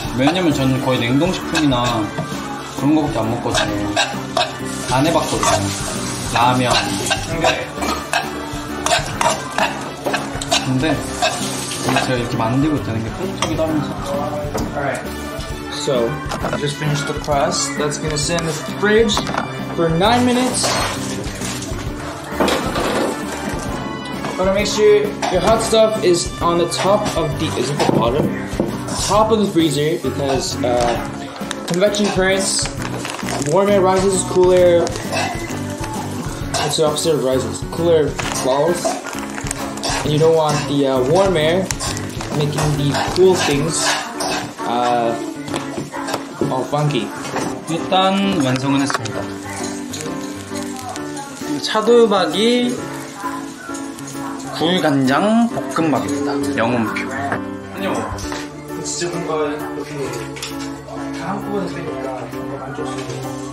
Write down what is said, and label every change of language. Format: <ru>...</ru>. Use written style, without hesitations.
<ko>왜냐면 저는 거의 냉동식품이나 그런 거밖에 안 먹거든요. 안 해봤거든요. 라면. 근데 제가 이렇게 만들고 있다는 게 뿌듯하기도 하면서.</ko> <en>Alright. So I just finished the crust. That's going to sit in the fridge for 9 minutes. Gotta make sure your hot stuff is on the top of the, is it the bottom? Top of the freezer, because convection currents, warm air rises, cool air, it's the opposite of rises, cool air falls. And you don't want the warm air making the cool things all funky.</en> <ko>일단 완성은 했습니다. 차두박이 구이간장 볶음밥입니다. 영웅표. 아니요. 진짜 뭔가 이렇게 다 한꺼번에 생기니까 뭔가 만족스러워.</ko>